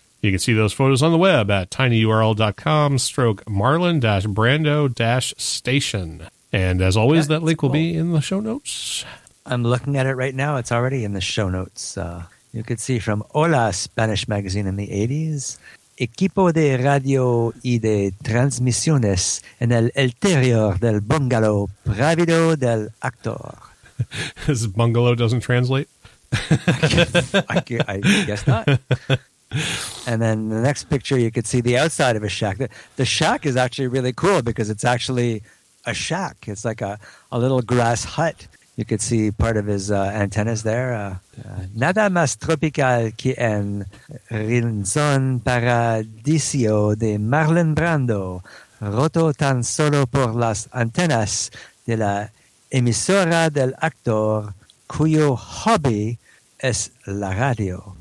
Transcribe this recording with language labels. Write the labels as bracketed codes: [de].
[en] You can see those photos on the web at tinyurl.com/Marlon-Brando-station. And as always, that link will be in the show notes. I'm looking at it right now. It's already in the show notes. You could see from Hola Spanish magazine in the 80s. [es] Equipo de radio y de transmisiones en el interior del bungalow privado del actor. [en] This bungalow doesn't translate? I guess not. And then the next picture, you could see the outside of a shack. The shack is actually really cool because it's actually a shack. It's like a little grass hut. You could see part of his antennas there. [es] Nada más tropical que en rincón paradisio de Marlon Brando, roto tan solo por las antenas de la emisora del actor, cuyo hobby es la radio.